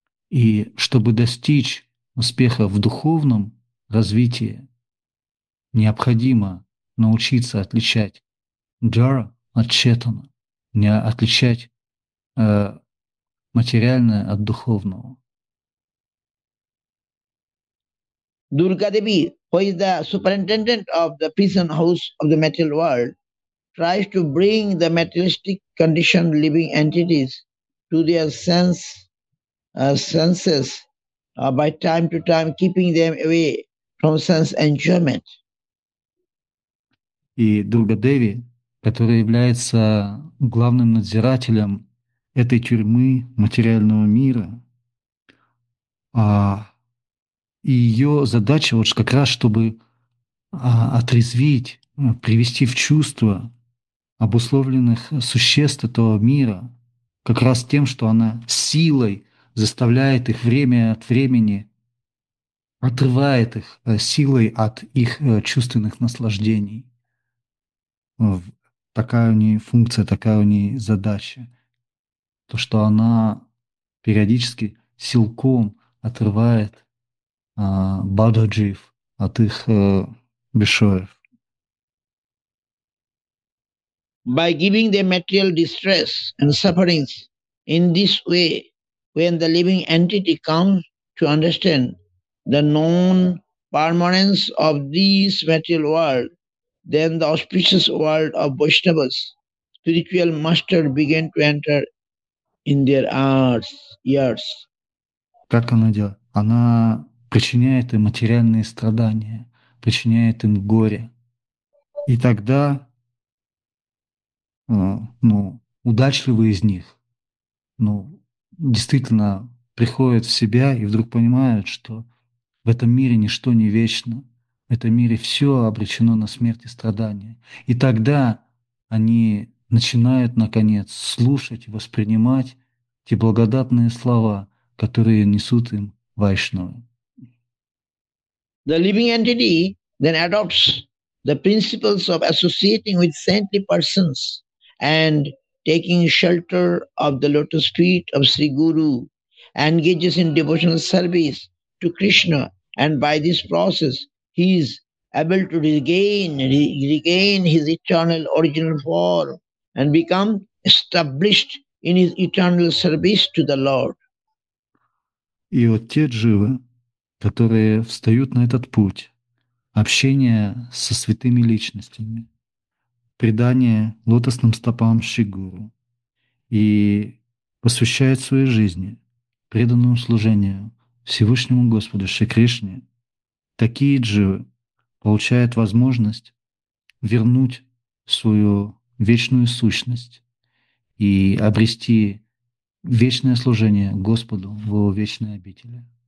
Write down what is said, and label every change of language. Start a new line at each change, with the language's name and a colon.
Russian: И чтобы достичь успеха в духовном развитии, необходимо научиться отличать джара от четана, не отличать материальное от духовного.
English: Durga Devi, who is the superintendent of the prison house of the material world, tries to bring the materialistic conditioned living entities to their senses by time to time keeping them away from sense enjoyment.
Russian: И Дургадеви, который является главным надзирателем этой тюрьмы материального мира, и ее задача вот как раз, чтобы отрезвить, привести в чувство обусловленных существ этого мира, как раз тем, что она силой заставляет их время от времени, отрывает их силой от их чувственных наслаждений. Такая у ней функция, такая у ней задача. То, что она периодически силком отрывает баджаджив от их бешоев.
English: By giving them material distress and sufferings in this way, when the living entity comes to understand the non-permanence of this material world, then the auspicious world of Vaishnavas, spiritual master began to enter in their ears.
Russian: Как она делает? Она причиняет им материальные страдания, причиняет им горе. И тогда удачливые из них действительно приходят в себя и вдруг понимают, что в этом мире ничто не вечно. В этом мире все обречено на смерть и страдания. И тогда они начинают, наконец, слушать и воспринимать те благодатные слова, которые несут им вайшнавы.
English: The living entity then adopts the principles of associating with saintly persons and taking shelter of the lotus feet of Sri Guru, engages in devotional service to Krishna, and by this process, he is able to regain his eternal original form and become established in his eternal service to the Lord.
Russian: И вот те дживы, которые встают на этот путь общения со святыми личностями, предание лотосным стопам Шри Гуру и посвящает своей жизни преданному служению Всевышнему Господу Шри Кришне, такие дживы получают возможность вернуть свою вечную сущность и обрести вечное служение Господу в его вечной обители.